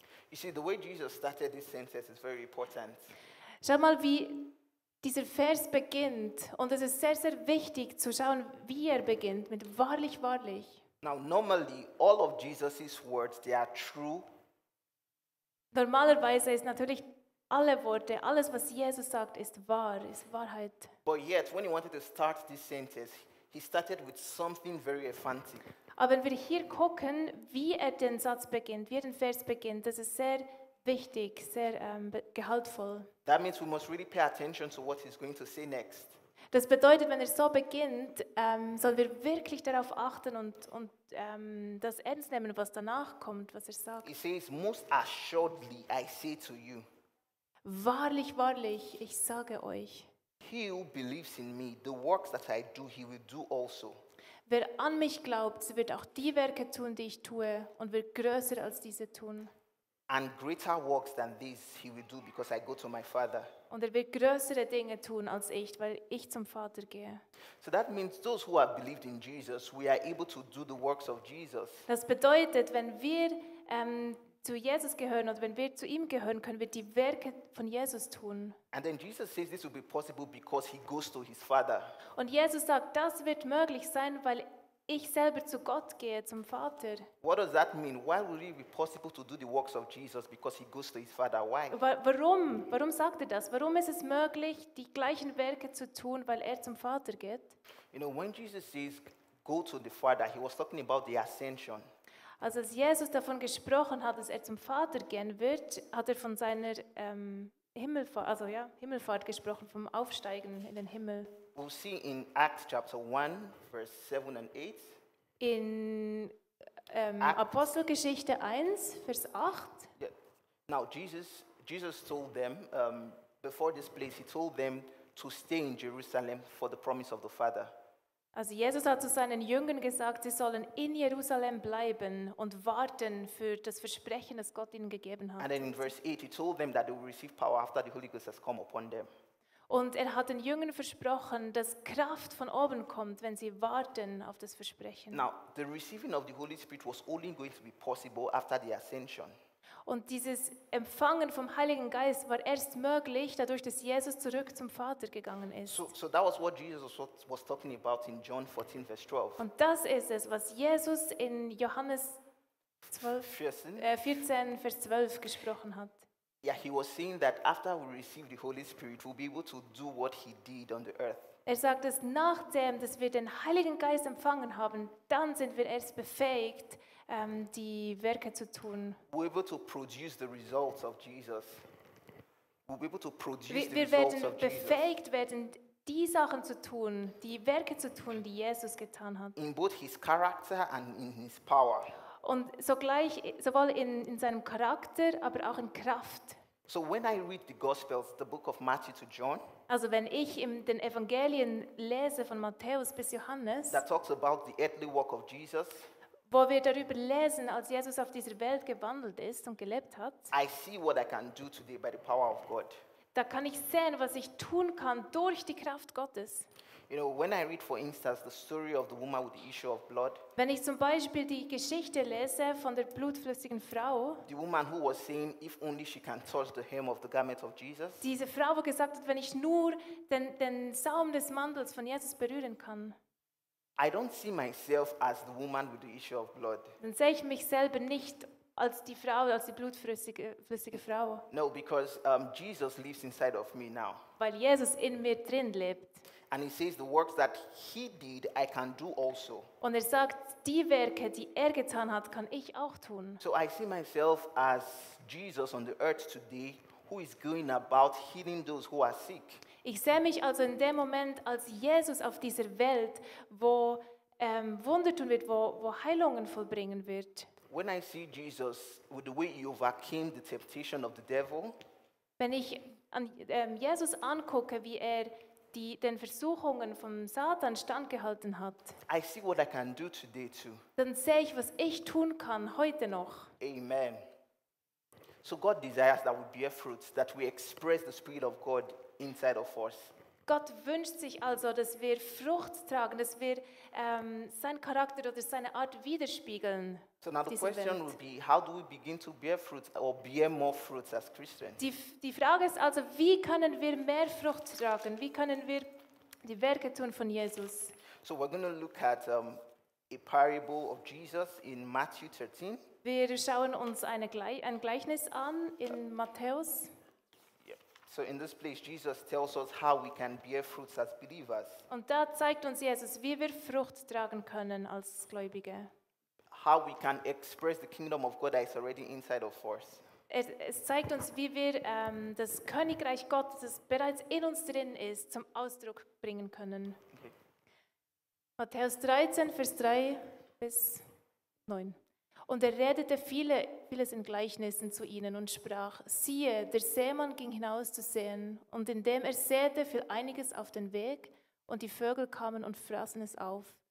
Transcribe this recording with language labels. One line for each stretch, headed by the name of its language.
English: You see, the way Jesus started this sentence is very important.
German: Schau mal, wie dieser Vers beginnt. Und es ist sehr, sehr wichtig zu schauen, wie er beginnt, mit wahrlich, wahrlich.
English: Now, normally, all of Jesus' words, they are true.
German: Normalerweise ist natürlich alle Worte, alles, was Jesus sagt, ist wahr, ist Wahrheit.
English: But yet, when he wanted to start this sentence, he started with something very emphatic.
German: Aber wenn wir hier gucken, wie er den Satz beginnt, wie er den Vers beginnt, das ist sehr wichtig, sehr gehaltvoll.
English: That means we must really pay attention to what he's going to say next.
German: Das bedeutet, wenn er so beginnt, sollen wir wirklich darauf achten und das ernst nehmen, was danach kommt, was er sagt.
English: He says, most assuredly I say to you.
German: Wahrlich, wahrlich, ich sage euch.
English: He who believes in me, the works that I do, he will do also.
German: Wer an mich glaubt, wird auch die Werke tun, die ich tue, und wird größer als diese tun.
English: And greater works than these he will do, because I go to my Father.
German: Und er wird größere Dinge tun als ich, weil ich zum Vater gehe.
English: So that means those who have believed in Jesus, we are able to do the works of Jesus.
German: Das bedeutet, wenn wir zu Jesus gehören oder wenn wir zu ihm gehören, können wir die Werke von Jesus tun.
English: And then Jesus says this will be possible because he goes to his Father.
German: Und Jesus sagt, das wird möglich sein, weil ich selber zu Gott gehe, zum Vater.
English: What does that mean? Why would it be possible to do the works of Jesus because he goes to his Father? Why?
German: Warum sagt er das? Warum ist es möglich, die gleichen Werke zu tun, weil er zum Vater geht?
English: You know, when Jesus says go to the Father, he was talking about the ascension.
German: Also als Jesus davon gesprochen hat, dass er zum Vater gehen wird, hat er von seiner Himmelfahrt gesprochen, vom Aufsteigen in den Himmel.
English: We'll see in Acts chapter 1, verse 7 and 8.
German: In Apostelgeschichte 1, Vers 8.
English: Yeah. Now Jesus told them, before this place, he told them to stay in Jerusalem for the promise of the Father.
German: Also Jesus hat zu seinen Jüngern gesagt, sie sollen in Jerusalem bleiben und warten für das Versprechen, das Gott ihnen gegeben hat.
English: And then in verse 8, he told them that they will receive power after the Holy Ghost has come upon them.
German: Und er hat den Jüngern versprochen, dass Kraft von oben kommt, wenn sie warten auf das Versprechen.
English: Now, the receiving of the Holy Spirit was only going to be possible after the ascension.
German: Und dieses Empfangen vom Heiligen Geist war erst möglich, dadurch, dass Jesus zurück zum Vater gegangen ist.
English: So that was what Jesus was talking about in John 14, verse 12.
German: Und das ist es, was Jesus in Johannes 14, Vers 12 gesprochen hat.
English: Yeah, he was saying that after we receive the Holy Spirit, we'll be able to do what he did on the earth.
German: Er sagt, dass nachdem, dass wir den Heiligen Geist empfangen haben, dann sind wir erst befähigt, die Werke zu tun.
English: We're able to produce the results of Jesus. We'll be able to produce the results of
German: Jesus. Wir werden befähigt werden, die Sachen zu tun, die Werke zu tun, die Jesus getan hat.
English: In both his character and in his power.
German: Und sogleich, sowohl in seinem Charakter, aber auch in Kraft.
English: So when I read the Gospels, the book of Matthew to John,
German: also wenn ich in den Evangelien lese von Matthäus bis Johannes,
English: that talks about the earthly work of Jesus,
German: wo wir darüber lesen, als Jesus auf dieser Welt gewandelt ist und gelebt hat,
English: I see what I can do today by the power of God.
German: Da kann ich sehen, was ich tun kann durch die Kraft Gottes.
English: You know, when I read, for instance, the story of the woman with the issue of blood,
German: wenn ich zum Beispiel die Geschichte lese von der blutflüssigen Frau,
English: the woman who was saying, if only she can touch the hem of the garment of Jesus,
German: diese Frau, wo gesagt hat, wenn ich nur den Saum des Mantels von Jesus berühren kann,
English: I don't see myself as the woman with the issue of blood.
German: Dann sehe ich mich selber nicht als die Frau, als die blutflüssige Frau.
English: No, because Jesus lives inside of me now.
German: Weil Jesus in mir drin lebt.
English: And he says, the works that he did, I can do also.
German: Und er sagt, die Werke, die er getan hat, kann ich auch tun.
English: So I see myself as Jesus on the earth today, who is going about healing those who are sick.
German: Ich sehe mich also in dem Moment als Jesus auf dieser Welt, wo Wunder tun wird, wo Heilungen vollbringen wird.
English: When I see Jesus with the way he overcame the temptation of the devil,
German: wenn ich Jesus angucke, wie er den Versuchungen vom Satan standgehalten hat,
English: I see what I can do today too.
German: Dann sehe ich, was ich tun kann heute noch. Amen.
English: So God desires that we bear fruits, that we express the Spirit of God inside of us.
German: Gott wünscht sich also, dass wir Frucht tragen, dass wir seinen Charakter oder seine Art widerspiegeln.
English: So now the question would be, how do we begin to bear fruits or bear more fruits as Christians?
German: Die Frage ist also, wie können wir mehr Frucht tragen? Wie können wir die Werke tun von Jesus?
English: So we're going to look at a parable of Jesus in Matthew 13.
German: Wir schauen uns ein Gleichnis an in Matthäus.
English: So in this place, Jesus tells us how we can bear fruits as believers.
German: Und da zeigt uns Jesus, wie wir Frucht tragen können als Gläubige.
English: how we can express the kingdom of God that is already inside of us.
German: Es zeigt uns, wie wir das Königreich Gottes, das bereits in uns drin ist, zum Ausdruck bringen können. Okay. Matthäus 13, Vers 3 bis 9. Und er redete vieles in Gleichnissen zu ihnen und sprach: Siehe, der Sämann ging hinaus zu säen, und indem er säte, fiel einiges auf den Weg, und die Vögel kamen und fraßen es auf.